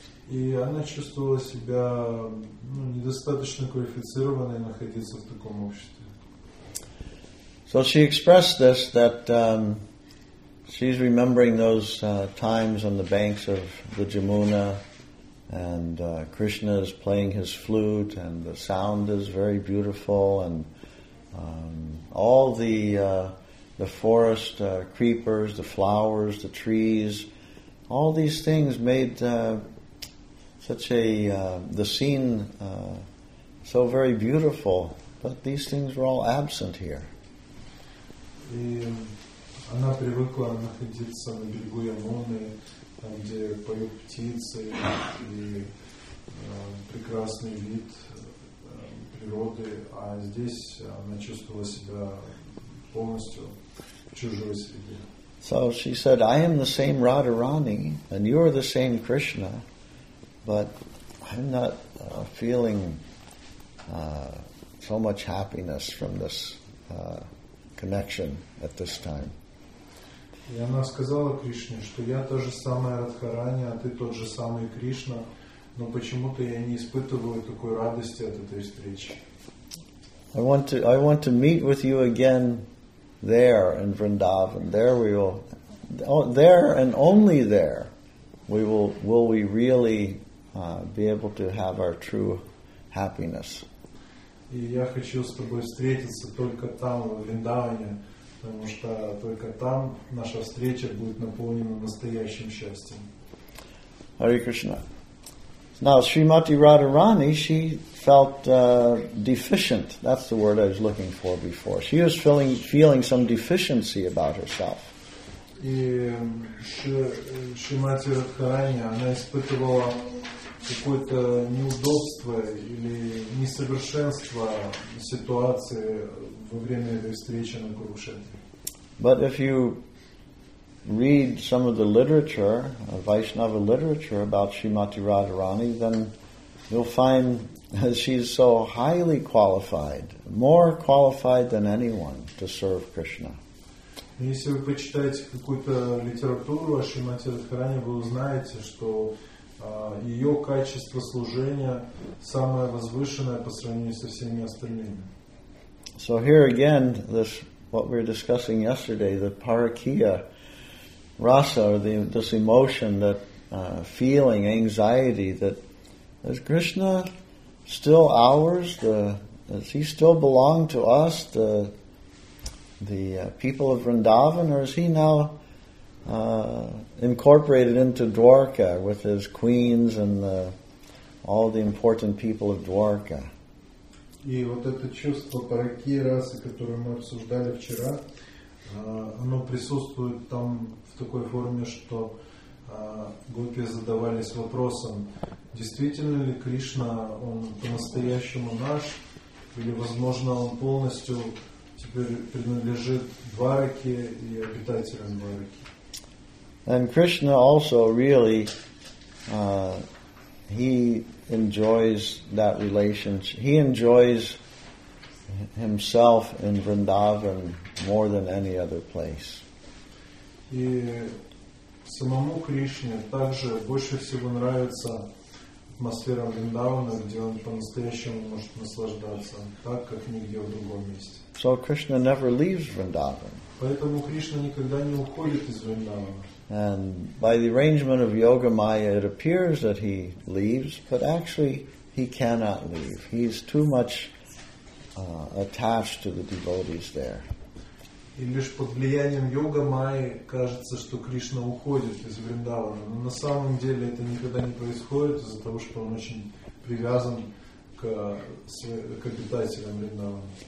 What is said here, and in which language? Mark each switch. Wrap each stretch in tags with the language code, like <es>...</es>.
<ru>И она чувствовала себя недостаточно квалифицированной находиться в таком обществе.</ru> <en>So she expressed this that she's remembering those times on the banks of the Jamuna, and Krishna is playing his flute, and the sound is very beautiful, and all the forest creepers, the flowers, the trees, all these things made such a the scene so very beautiful, but these things were all absent here.</en> <ru>И она привыкла находиться на берегу Ямуны, там где поют птицы и прекрасный вид природы, а здесь она чувствовала себя полностью в чужой среде.</ru> <en>So she said, "I am the same Radharani, and you are the same Krishna." But I'm not feeling so much happiness from this connection at this time.</en> <ru>И она сказала Кришне, что я та же самая Радхарани, а ты тот же самый Кришна, но почему-то я не испытываю такой радости от этой встречи.</ru> <en>I want to meet with you again there in Vrindavan. There we will. There and only there, will we really be able to have our true happiness.</en> <ru>И я хочу с тобой встретиться только там, в Вриндаване, потому что только там наша встреча будет наполнена настоящим счастьем.</ru> <en>Hare Krishna. Now, Srimati Radharani, she felt deficient. That's the word I was looking for before. She was feeling some deficiency about herself.</en> <ru>И Шримати Радхарани, она испытывала какое-то неудобство или несовершенство ситуации во время этой встречи на Курукшетре.</ru> <en>But if you read some of the literature, Vaishnava literature about Srimati Radharani, then you'll find that she's so highly qualified, more qualified than anyone to serve Krishna.</en> <ru>Если вы почитаете какую-то литературу о Шримати Радхарани, вы узнаете, что ее качество служения самое возвышенное по сравнению со всеми остальными.</ru> <en>So here again, this what we were discussing yesterday, the parakiya rasa, or this emotion, that feeling, anxiety, that is Krishna still ours? Does he still belong to us, the people of Vrindavan, or is he now incorporated into Dwarka with his queens and all the important people of Dwarka?</en> <ru>И вот это чувство паракии расы, которое мы обсуждали вчера, оно присутствует там в такой форме, что гопи задавались вопросом, действительно ли Кришна, он по-настоящему наш, или, возможно, он полностью теперь принадлежит Двараке и обитателям Двараки.</ru> <en>And Krishna also really, he enjoys that relationship. He enjoys himself in Vrindavan more than any other place.</en> <ru>И самому Кришне также больше всего нравится атмосфера Вриндавана, где он по-настоящему может наслаждаться, так как нигде в другом месте.</ru> <en>So Krishna never leaves Vrindavan.</en> <ru>Поэтому Кришна никогда не уходит из Вриндавана.</ru> <en>And by the arrangement of Yoga Maya, it appears that he leaves, but actually he cannot leave. He's too much attached to the devotees there.</en> <ru>И лишь под влиянием Йога Майи кажется, что Кришна уходит из Вриндавана. Но на самом деле это никогда не происходит из-за того, что он очень привязан к обитателям Вриндавана.</ru>